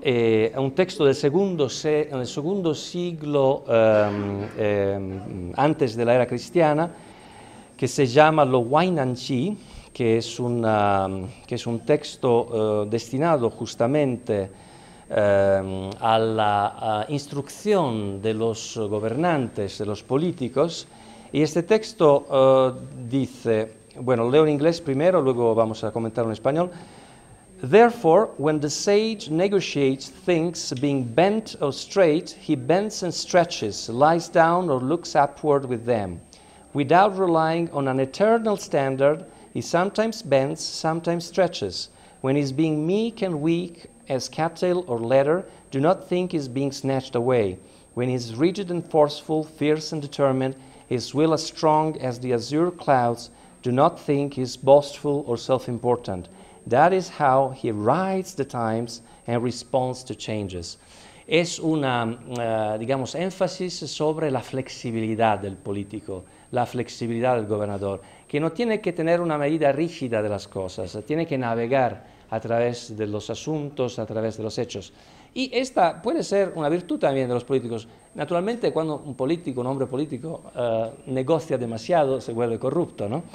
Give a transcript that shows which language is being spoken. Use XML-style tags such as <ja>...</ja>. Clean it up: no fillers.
<es>Un texto del segundo siglo antes de la era cristiana, que se llama Lo Huainanchi, que es un texto destinado justamente a la instrucción de los gobernantes, de los políticos. Y este texto dice, bueno, leo en inglés primero, luego vamos a comentarlo en español.</es> <en>Therefore, when the sage negotiates things being bent or straight, he bends and stretches, lies down or looks upward with them. Without relying on an eternal standard, he sometimes bends, sometimes stretches. When he's being meek and weak, as cattle or leather, do not think he's being snatched away. When he's rigid and forceful, fierce and determined, his will as strong as the azure clouds, do not think he's boastful or self-important. That is how he rides the times and responds to changes.</en> <es>Es una, digamos, énfasis sobre la flexibilidad del político, la flexibilidad del gobernador, que no tiene que tener una medida rígida de las cosas, tiene que navegar a través de los asuntos, a través de los hechos. Y esta puede ser una virtud también de los políticos. Naturalmente, cuando un político, un hombre político, negocia demasiado, se vuelve corrupto, ¿no?</es>